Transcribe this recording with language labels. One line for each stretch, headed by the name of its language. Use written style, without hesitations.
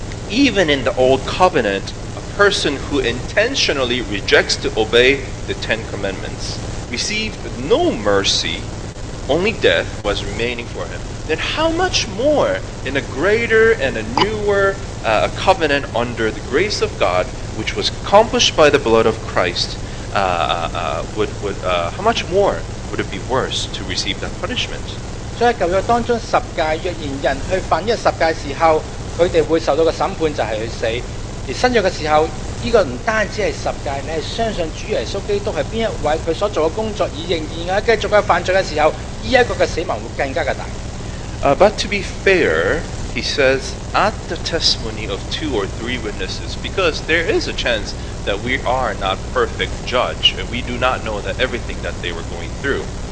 English: Even in the Old Covenant, a person who intentionally rejects to obey the Ten Commandments received no mercy, only death was remaining for him. Then how much more in a greater and a newer covenant under the grace of God, which was accomplished by the blood of Christ, how much more would it be worse to receive that punishment?
Cantonese: 所以在舊約當中十戒，若然人去犯呢十戒時候，佢哋會受到嘅審判就係去死。而新約嘅時候，呢個唔單止係十戒，你係相信主耶穌基督係邊一位，佢所做嘅工作，而仍然繼續嘅犯罪嘅時候，呢一個嘅死亡會更加嘅大。
English: But to be fair, he says, at the testimony of two or three witnesses, because there is a chance that we are not perfect judge, and we do not know that everything that they were going through.